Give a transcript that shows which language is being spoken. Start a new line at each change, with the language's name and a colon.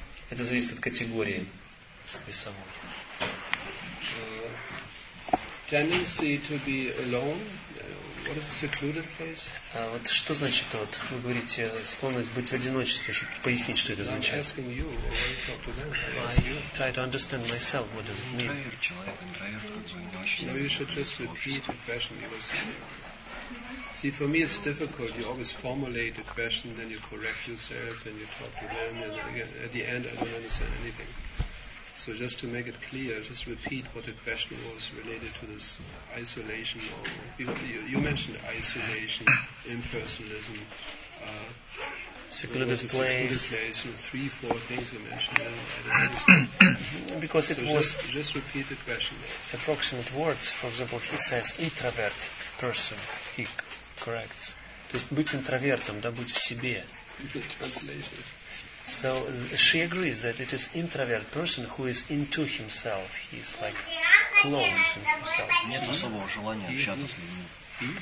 Russian: Это зависит от категории и самой.
English: Tendency to be alone. What is a secluded place?
Russian: Вот что значит вот вы говорите склонность быть в одиночестве, чтобы пояснить, что это означает?
English: I'm asking you, or when you talk to them, I try to understand myself, what does it mean? No, you should just repeat the question you were saying. See, for me it's difficult. You always formulate a question, then you correct yourself, then you talk to them, and again, at the end I don't understand anything. So just to make it clear, just repeat what the question was related to this isolation. Or you mentioned isolation, impersonalism, secluded place, and 3-4 things you mentioned. Just repeat the question. Approximate words, for example, he says introvert person, he corrects.
Russian: То есть быть интровертом, да, быть в себе.
English: Translation. So she agrees that it is introvert person who is into himself. He is like closed in himself.
Russian: Нет особого желания общаться с людьми.